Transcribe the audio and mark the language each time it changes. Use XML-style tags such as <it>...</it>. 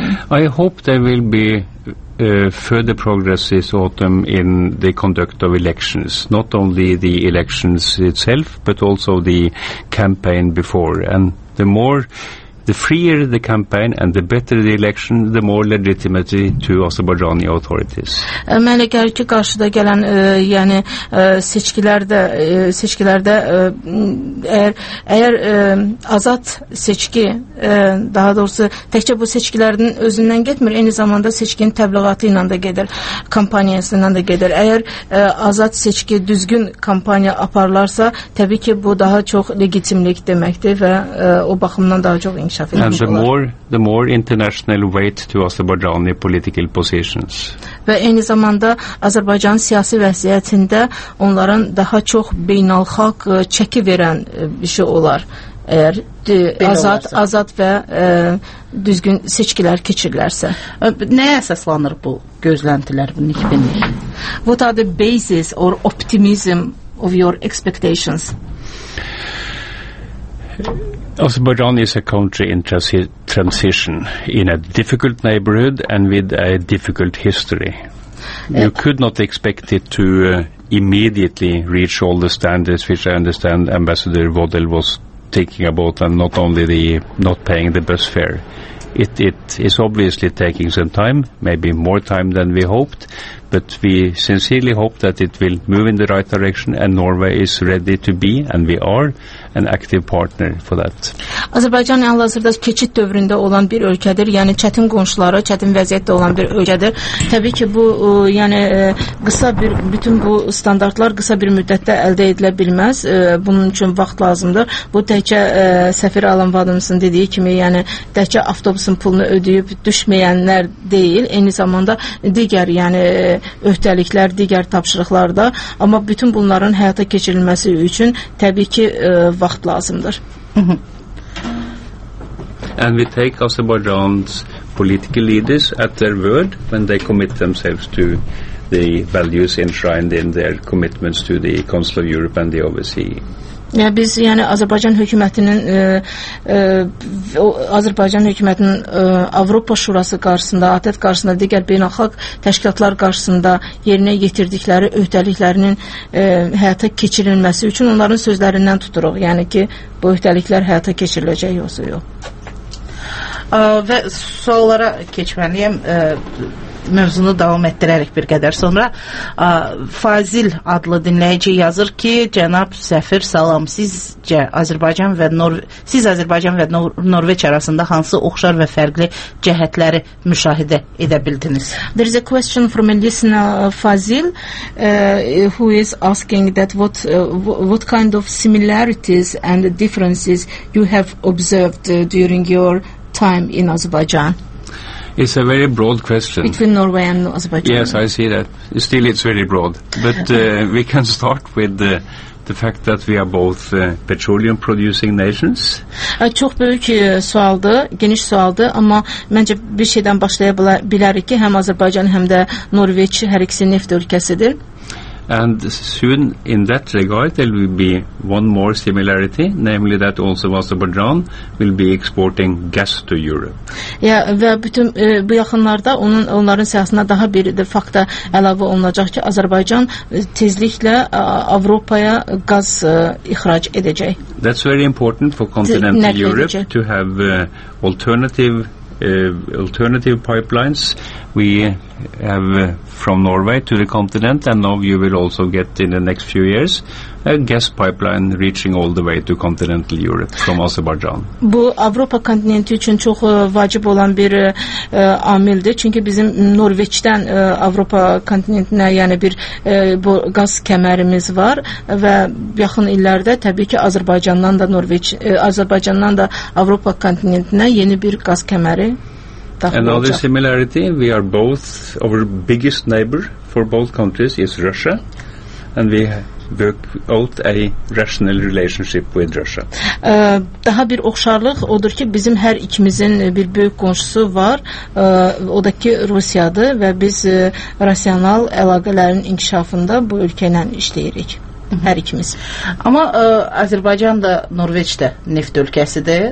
<en>I hope there will be further progress this autumn in the conduct of elections, not only the elections itself, but also the campaign before. And the more, the freer the campaign and the better the election, the more legitimacy to Azerbaijani authorities.</en> <az>Mən əgər ki, qarşıda gələn yəni seçkilərdə əgər azad seçki, daha doğrusu təkcə bu seçkilərin özündən getmir, eyni zamanda seçkinin təbliğatı ilə də gedir, kampaniyası ilə də gedir. Əgər azad seçki düzgün kampaniya aparlarsa, təbii ki, bu daha çox legitimlik deməkdir və o baxımdan daha çox inkişaf.</az> <en>And the more international weight to Azerbaijani political positions.</en> <az>Və eyni zamanda Azərbaycan siyasi vəziyyətində onların daha çox beynəlxalq çəki verən bir şey olar. Əgər azad və düzgün seçkilər keçirlərsə. Nəyə əsaslanır bu gözləntilər, bu nikbinlik?</az> <en>What are the basis or optimism of your expectations? Azerbaijan is a country in transition, in a difficult neighborhood and with a difficult history. You could not expect it to immediately reach all the standards, which I understand Ambassador Vodel was thinking about, and not only the not paying the bus fare. It is obviously taking some time, maybe more time than we hoped, but we sincerely hope that it will move in the right direction, and Norway is ready to be, and we are, an active partner for that.</en> <az>Azərbaycan hal-hazırda keçid dövründə olan bir ölkədir, yəni çətin qonşuları, çətin vəziyyətdə olan bir ölkədir. Təbii ki, bu yəni qısa bir bütün bu standartlar qısa bir müddətdə əldə edilə bilməz. Bunun üçün vaxt lazımdır. Bu təkcə səfir Alan Vadımsın dediyi kimi, yəni təkcə avtobusun pulunu ödəyib düşməyənlər deyil, eyni zamanda digər yəni öhdəliklər, digər tapşırıqlar da, amma bütün bunların həyata keçirilməsi üçün təbii ki vaxt lazımdır.</az> <en>And we take Azerbaijan's political leaders at their word when they commit themselves to the values enshrined in their commitments to the Council of Europe and the OSCE.</en> <az>Yəni biz yəni Azərbaycan hökumətinin Avropa Şurası qarşısında, ATƏT qarşısında, digər beynəlxalq təşkilatlar qarşısında yerinə yetirdikləri öhdəliklərinin həyata keçirilməsi üçün onların sözlərindən tuturuq. Yəni ki, bu öhdəliklər həyata keçiriləcək yoxsa yox. Və suallara keçməliyəm. Mövzunu davam etdirərək bir qədər sonra Fazil adlı dinləyici yazır ki, cənab Səfir, salam, siz Azərbaycan və Norveç arasında hansı oxşar və fərqli cəhətləri müşahidə edə bildiniz?</az> <en>There is a question from a listener, Fazil, who is asking that what kind of similarities and differences you have observed during your time in Azerbaijan? It's a very broad question. Between Norway and Azerbaijan. Yes, I see that. Still, it's very broad. But we can start with the fact that we are both petroleum-producing nations.</en> <az>Çox böyük sualdır, geniş sualdır, amma məncə bir şeydən başlaya bilərik ki, həm Azərbaycan, həm də Norveç hər ikisi neft ölkəsidir.</az> <en>And soon, in that regard, there will be one more similarity, namely that also Azerbaijan will be exporting gas to Europe.</en> <az>Yeah, və bütün bu yaxınlarda onların siyasına daha bir fakta əlavə olunacaq ki, Azərbaycan tezliklə Avropaya qaz ixrac edəcək.</az> <en>That's very important for continental Europe to have alternative pipelines. We have from Norway to the continent, and now you will also get in the next few years a gas pipeline reaching all the way to continental Europe from Azerbaijan.</en> <az>Bu Avropa kontinenti üçün çox vacib olan bir amildir, çünki bizim Norveçdən Avropa kontinentinə yəni bir bu qaz kəmərimiz var və yaxın illərdə təbii ki Azərbaycandan da Avropa kontinentinə yeni bir qaz kəməri.</az> <en>Another similarity, we are both, our biggest neighbor for both countries is Russia, and we work out a rational relationship with Russia.</en> <az>Daha bir oxşarlıq odur ki, bizim hər ikimizin bir böyük qonşusu var, o da ki, Rusiyadır və biz rasional əlaqələrin inkişafında bu ölkə ilə işləyirik. hər ikimiz. Amma Azərbaycan da Norveç də neft ölkəsidir.</az>